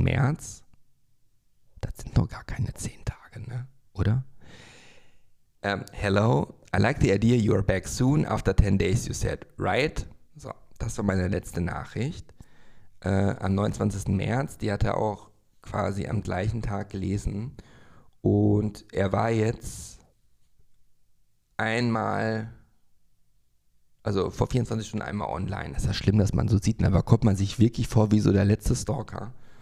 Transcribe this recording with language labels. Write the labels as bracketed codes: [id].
[de] März, das sind noch gar keine 10 Tage, ne? Oder? [en] Hello, I like the idea you are back soon after 10 days you said, right? [de] So, das war meine letzte Nachricht. Am 29. März, die hat er auch quasi am gleichen Tag gelesen. Und er war jetzt einmal, also vor 24 Stunden einmal online. Das ist ja schlimm, dass man so sieht. Aber kommt man sich wirklich vor wie so der letzte Stalker.